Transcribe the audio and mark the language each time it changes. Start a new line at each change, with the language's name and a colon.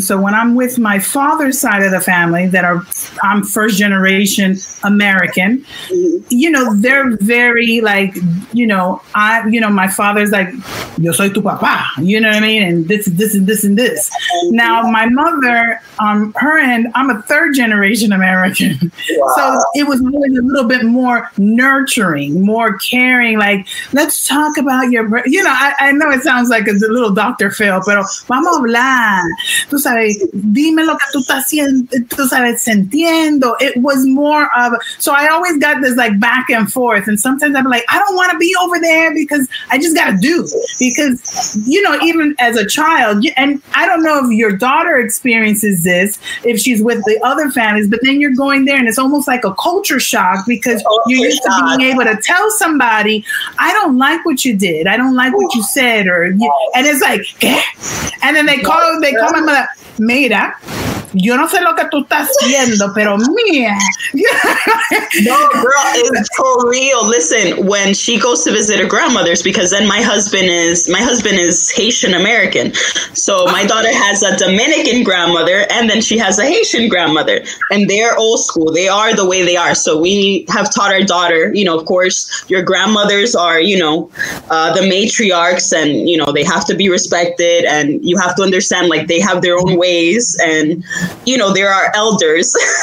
English: So when I'm with my father's side of the family that are, I'm first generation American, you know, they're very like, you know, I, you know, my father's like,
Spanish: yo soy tu papá,
English: you know what I mean? And this, this, and this, and this. Now, my mother, on her end, I'm a third generation American. Wow. So it was always a little bit more nurturing, more caring, like, let's talk about your, you know, I know it sounds like it's a little Dr.
Spanish: Phil, pero vamos a hablar. Tú sabes, dime lo que tú estás haciendo, tú sabes, sintiendo.
English: It was more of, so I always got this like back and forth. And sometimes I'm like, I don't want to be over there because I just got to do. Because, you know, even as a child, and I don't know if your daughter experiences this, if she's with the other families, but then you're going there and it's almost like a culture shock because you're used to being able to tell somebody, I don't like what you did. I don't like what you said. Or you, and it's like,
Spanish: ¿qué?
English: And then they call my mother,
Spanish: mira, yo no sé lo que tú estás haciendo, pero mía.
English: No, girl, it's for real. Listen, when she goes to visit her grandmother's, because then my husband is Haitian American. So my daughter has a Dominican grandmother and then she has a Haitian grandmother. And they're old school. They are the way they are. So we have taught our daughter, you know, of course, your grandmothers are, you know, the matriarchs and, you know, they have to be respected and you have to understand, like, they have their own ways and, you know, there are elders.